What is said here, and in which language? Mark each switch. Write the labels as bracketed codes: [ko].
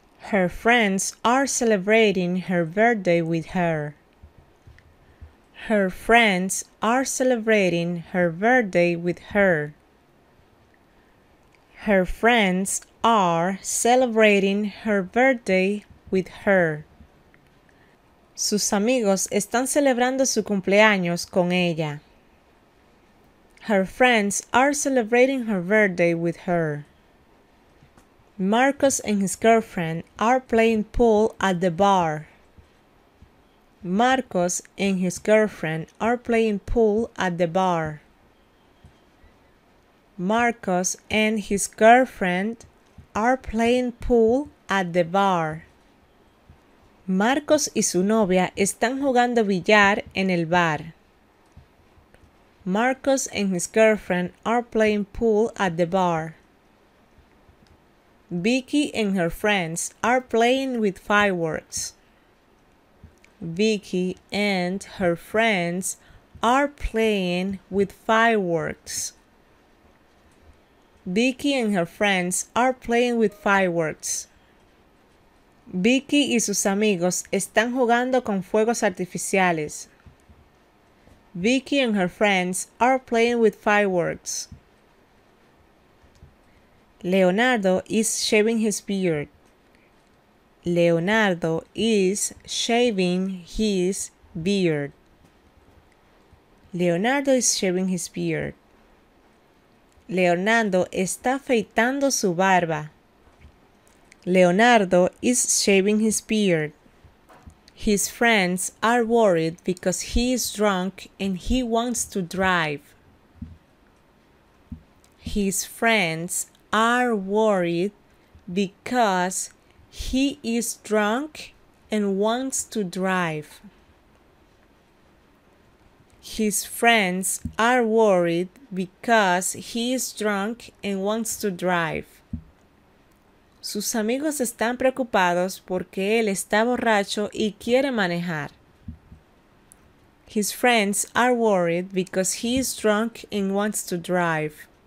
[en] Her friends are celebrating her birthday with her. Her friends are celebrating her birthday with her. Her friends are celebrating her birthday with her. [es] Sus amigos están celebrando su cumpleaños con ella. [en] Her friends are celebrating her birthday with her. Marcos and his girlfriend are playing pool at the bar. Marcos and his girlfriend are playing pool at the bar. Marcos and his girlfriend are playing pool at the bar. [es] Marcos y su novia están jugando billar en el bar. [en] Marcos and his girlfriend are playing pool at the bar. Vicky and her friends are playing with fireworks. Vicky and her friends are playing with fireworks. Vicky and her friends are playing with fireworks. [es] Vicky y sus amigos están jugando con fuegos artificiales. [en] Vicky and her friends are playing with fireworks. Leonardo is shaving his beard. Leonardo is shaving his beard. Leonardo is shaving his beard. [es] Leonardo está afeitando su barba. [en] Leonardo is shaving his beard. His friends are worried because he is drunk and he wants to drive. His friends are worried because he is drunk and wants to drive. His friends are worried because he is drunk and wants to drive. [es] Sus amigos están preocupados porque él está borracho y quiere manejar. [en] His friends are worried because he is drunk and wants to drive.